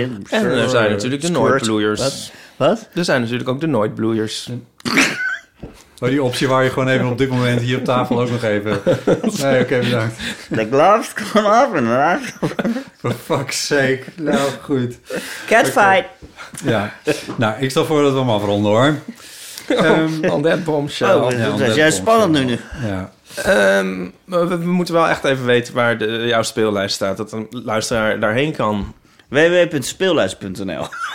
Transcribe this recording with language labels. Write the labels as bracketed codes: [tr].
[nl] En er zijn natuurlijk de nooitbloeiers. Wat? Er zijn natuurlijk ook de nooitbloeiers. Oh, die optie waar je gewoon even op dit moment hier op tafel ook nog even. Nee, oké, bedankt. [en] The gloves come off and off. For fuck's sake. [nl] Nou, goed. [en] Catfight. [nl] Ja. Nou, ik stel voor dat we hem afronden, hoor. [en] On that bombshell. [nl] Oh, dat is juist spannend nu. Ja. We moeten wel echt even weten waar jouw speellijst staat. Dat een luisteraar daarheen kan. www.speellijst.nl